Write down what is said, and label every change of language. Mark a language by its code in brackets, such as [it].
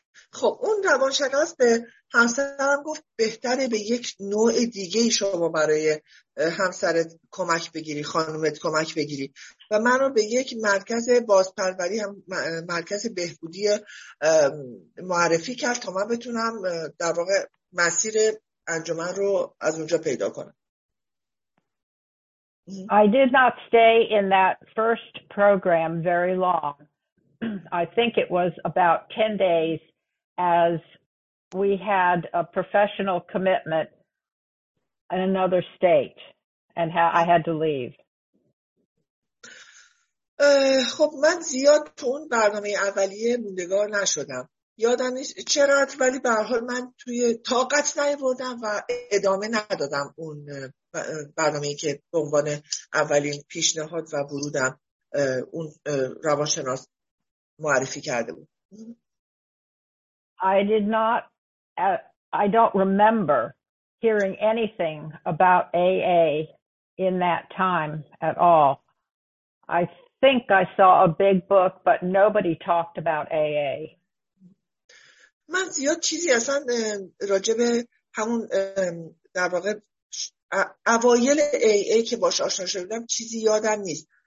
[fa] خب اون روانشناس به همسرم گفت بهتره به یک نوع دیگه شما برای همسرت کمک بگیری، خانومت کمک بگیری، و من رو به یک مرکز بازپروری، هم مرکز بهبودی معرفی کرد تا من بتونم در واقع مسیر انجمن رو از اونجا پیدا کنم. [en] I did not stay in that first program very long. I think it was about 10 days, as we had a professional commitment in another state, and I had to leave. [fa] خب من زیاد تو اون برنامه اولیه موندگار نشدم. یادم نیست چرا، ولی به هر حال من توی طاقت نیاوردم و ادامه ندادم اون برنامه‌ای که به عنوان اولین پیشنهاد و ورودم اون روانشناس معرفی کرده بود. [en] I don't remember hearing anything about AA in that time at all. I think I saw a big book, but nobody talked about AA. [fa] من زیاد چیزی اصلا راجع به همون در واقع اوایل AA که باش آشنا شدم چیزی یادم نیست.